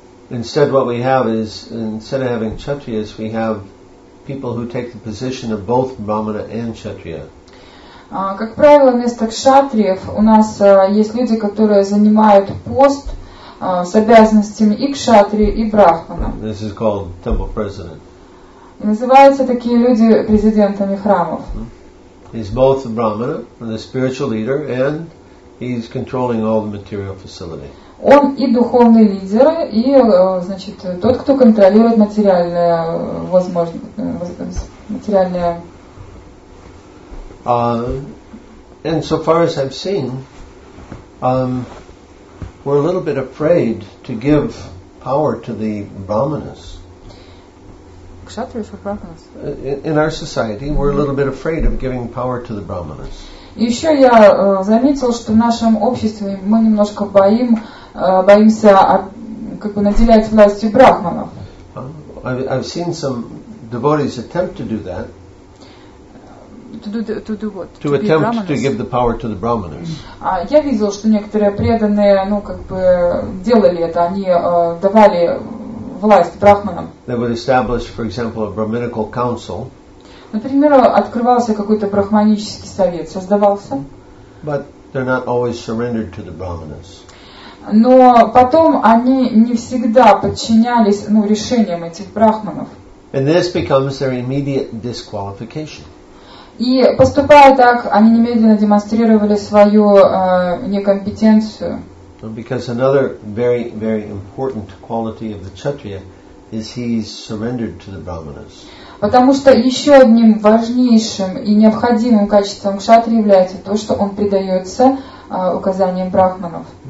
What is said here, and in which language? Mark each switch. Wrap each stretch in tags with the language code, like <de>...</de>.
<en>Instead, what we have is, instead of having kshatriyas, we have people who take the position of both brahmana and kshatriya.</en> <ru>Как правило, вместо кшатриев у нас есть люди, которые занимают пост с обязанностями и кшатри, и брахмана.</ru> <en>This is called temple president.</en> <ru>И называются такие люди президентами храмов.</ru> <en>He's both a brahmana, the spiritual leader, and he's controlling all the material facility.</en> <ru>Он и духовный лидер, и тот, кто контролирует материальное.</ru> <en>And so far as I've seen, we're a little bit afraid to give power to the brahmanas. Kshatriyas or brahmanas? In our society, we're a little bit afraid of giving power to the brahmanas.</en> <ru>Еще я заметил, что в нашем обществе мы немножко боимся наделять властью брахманов.</ru> <en>I've seen some devotees attempt to do that. To give the power to the brahmanas.</en> <ru>Я видел, что некоторые преданные, делали это. Они давали власть брахманам.</ru> <en>They would establish, for example, a brahminical council.</en> <ru>Например, открывался какой-то брахманический совет, создавался.</ru> <en>But they're not always surrendered to the brahmanas.</en> <ru>Но потом они не всегда подчинялись решениям этих брахманов.</ru> <en>And this becomes their immediate disqualification.</en> <ru>И поступая так, они немедленно демонстрировали свою некомпетенцию.</ru> <en>Because another very, very important quality of the kshatriya is he's surrendered to the brahmanas.</en> <ru>Потому что еще одним важнейшим и необходимым качеством кшатри является то, что он предается указаниям брахманов.</ru>